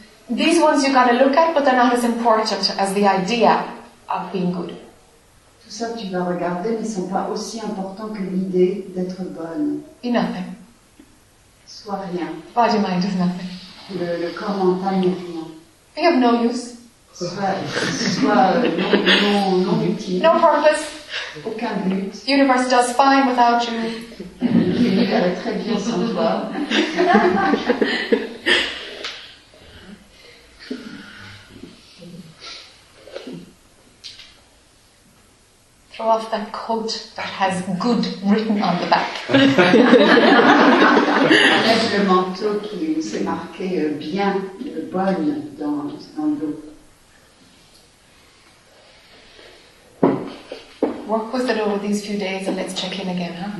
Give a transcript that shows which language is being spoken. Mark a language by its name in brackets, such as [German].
[English] These ones you gotta look at, but they're not as important as the idea of being good. [French] Tout ça tu vas regarder, mais ils sont pas aussi importants que l'idée d'être bonne. [English] Be nothing. [French] Sois rien. [English] Body mind is nothing. [French] Le corps mental n'est rien. [English] Be of no use. [French] Soit non utile. [English] No purpose. [French] Aucun but. [English] The universe does fine without you. [French] Il va très bien sans toi. [English] Throw off that coat that has good written on the back. [French] Enlève le manteau qui s'est marqué bien, bonne dans le dos. [English] Work with it over these few days and let's check in again, huh?